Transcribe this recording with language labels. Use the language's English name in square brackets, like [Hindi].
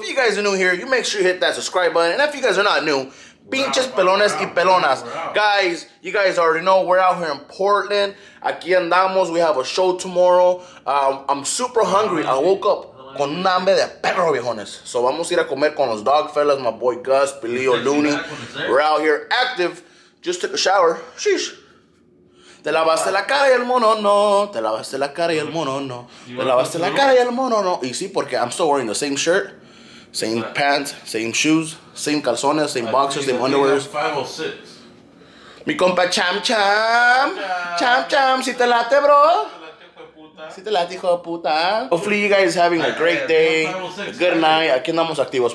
[English] If you guys are new here, you make sure you hit that subscribe button. And if you guys are not new, [Spanish] pinches pelones y pelonas. [English] Guys, you guys already know, we're out here in Portland. [Spanish] Aquí andamos, [English] we have a show tomorrow. I'm super hungry. I woke up [Spanish] con un hambre de perro, viejones. So vamos a ir a comer con los [English] dog fellas, my boy [Spanish] Gus, Pelillo, Looney. [English] We're out here active. Just took a shower. Sheesh. [Spanish] Te lavaste la cara y el mono no. Te lavaste la cara y el mono no. Te lavaste la cara y el mono no. Y sí, porque [English] I'm still wearing the same shirt, same pants, same shoes, same calzones, same boxers, same underwear. 506. [Spanish] Mi compa Cham Cham. Cham Cham, si te late, bro. Si te late, hijo de puta. [English] Hopefully, you guys are having a great day. Good night. [Spanish] Aquí andamos activos.